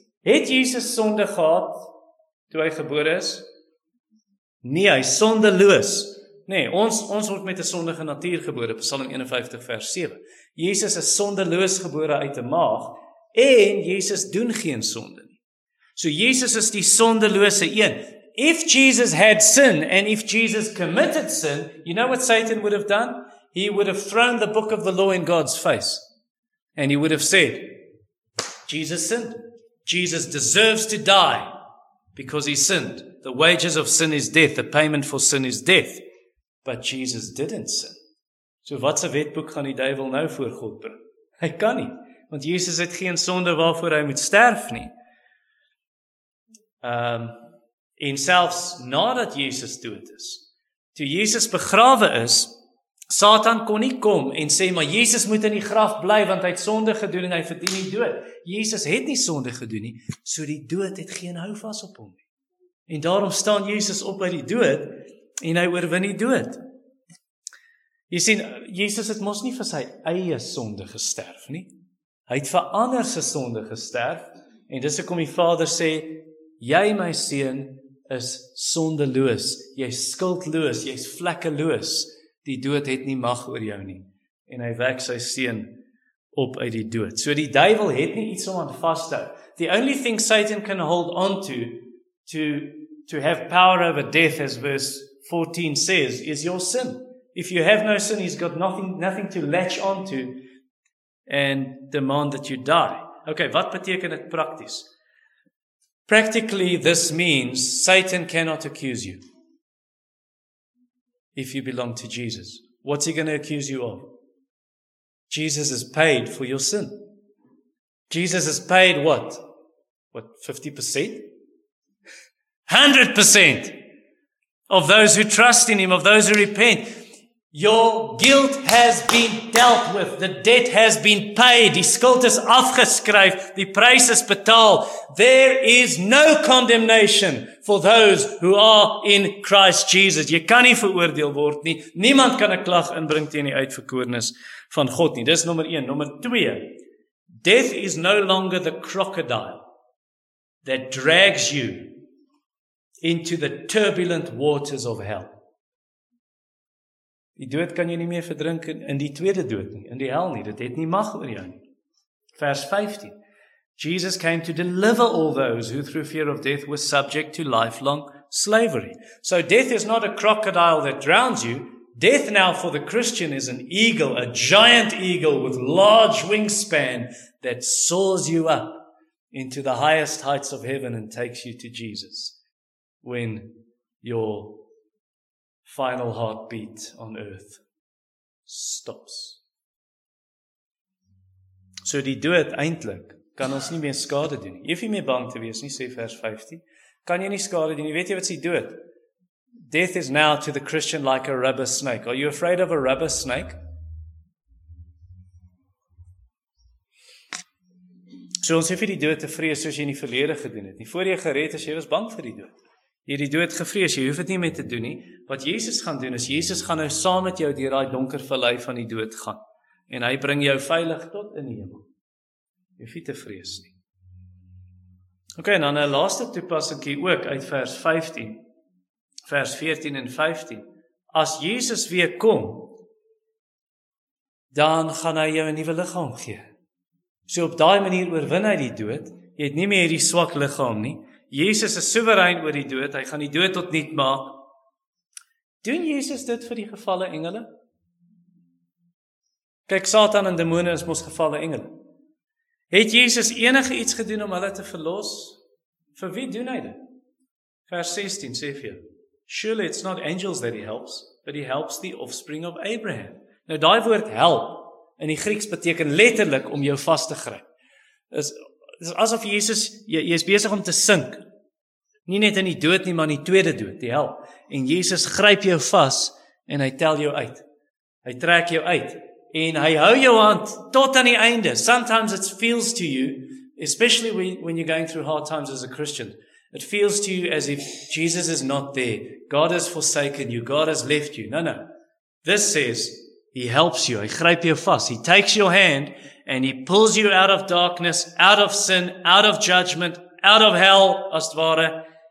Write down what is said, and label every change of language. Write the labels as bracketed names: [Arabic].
[Afrikaans] Het Jesus sonde gehad toe hy gebore is? Nee, hy is sondeloos. Nee, ons word met 'n sondige natuur gebore, Psalm 51 vers 7. Jesus is sondeloos gebore uit 'n maag en Jesus doen geen sonde nie. So Jesus is die sondelose een. [English] If Jesus had sin and if Jesus committed sin, you know what Satan would have done? He would have thrown the book of the law in God's face and he would have said, Jesus sinned. Jesus deserves to die because he sinned. The wages of sin is death. The payment for sin is death. But Jesus didn't sin. [Afrikaans] So wat 'n wetboek gaan die duivel nou voor God bring? Hy kan nie, want Jesus het geen sonde waarvoor hy moet sterf nie. En selfs nadat Jesus dood is, toe Jesus begrawe is, Satan kon nie kom en sê, maar Jesus moet in die graf bly, want hy het sonde gedoen en hy verdien die dood. Jesus het nie sonde gedoen nie, so die dood het geen houvas op hom. En daarom staan Jesus op by die dood, en hy oorwin die dood. Jy sien, Jesus het mos nie vir sy eie sonde gesterf nie. Hy het vir ander se sonde gesterf, en dis ek om die Vader sê, jy my seun is sondeloos, jy is skuldloos, jy is vlekkeloos, die dood het nie mag oor jou nie. En hy wek sy seun op uit die dood. So die duivel het nie iets om aan vast te hou. [English] The only thing Satan can hold on to have power over death, as verse 14 says, is your sin. If you have no sin, he's got nothing to latch on to and demand that you die. Okay, [Afrikaans] wat beteken dit prakties? [English] Practically, this means Satan cannot accuse you if you belong to Jesus. What's he going to accuse you of? Jesus has paid for your sin. Jesus has paid what? What, 50%? 100% of those who trust in him, of those who repent. Your guilt has been dealt with. The debt has been paid. [Afrikaans] Die skuld is afgeskryf. Die prys is betaal. [English] There is no condemnation for those who are in Christ Jesus. [Afrikaans] Jy kan nie veroordeel word nie. Niemand kan 'n klag inbring teen die uitverkorenes van God nie. Dis nommer 1. Nommer 2. [English] Death is no longer the crocodile that drags you into the turbulent waters of hell. [Afrikaans] Die dood kan jy nie meer verdrink in die tweede dood nie, in die hel nie. Dit het nie mag oor jou nie. Vers 15. [English] Jesus came to deliver all those who through fear of death were subject to lifelong slavery. So death is not a crocodile that drowns you. Death now for the Christian is an eagle, a giant eagle with large wingspan that soars you up into the highest heights of heaven and takes you to Jesus when your final heartbeat on earth stops. [Afrikaans] So die dood eintlik kan ons nie meer skade doen. Jy hoef nie meer bang te wees nie, sê vers 15. Kan jy nie skade doen. Jy weet jy wat is die dood? [English] Death is now to the Christian like a rubber snake. Are you afraid of a rubber snake? [Afrikaans] So ons hoef nie die dood te vrees soos jy in die verlede gedoen het. Nie voor jy gered is, jy was bang vir die dood. Jy het die dood gevrees, jy hoef het nie mee te doen nie. Wat Jesus gaan doen is, Jesus gaan nou saam met jou deur die donker vallei van die dood gaan. En hy bring jou veilig tot in die hemel. Jy hoef nie te vrees nie. Ok, en dan een laaste toepassing hier ook uit vers 15. Vers 14 en 15. As Jesus weer kom, dan gaan hy jou 'n nuwe liggaam gee. So op daai manier oorwin hy die dood. Jy het nie meer die swak liggaam nie. Jesus is soewerein oor die dood. Hy gaan die dood tot niet maak. Doen Jesus dit vir die gevalle engele? Kyk, Satan en demone is mos gevalle engele. Het Jesus enige iets gedoen om hulle te verlos? Vir wie doen hy dit? Vers 16 sê vir jou, [English] surely it's not angels that he helps, but he helps the offspring of Abraham. [Afrikaans] Nou, daai woord help, in die Grieks beteken letterlik om jou vas te gryp. Dis asof Jesus, jy is besig om te sink. Nie net in die dood nie, maar in die tweede dood, die hel. En Jesus gryp jou vas en hy tel jou uit. Hy trek jou uit. En hy hou jou hand tot aan die einde. [English] Sometimes it feels to you, especially when you're going through hard times as a Christian, it feels to you as if Jesus is not there. God has forsaken you. God has left you. No. This says, he helps you. [Afrikaans] Hy gryp jou vas. [English] He takes your hand and he pulls you out of darkness, out of sin, out of judgment, out of hell, [Afrikaans] as het ware.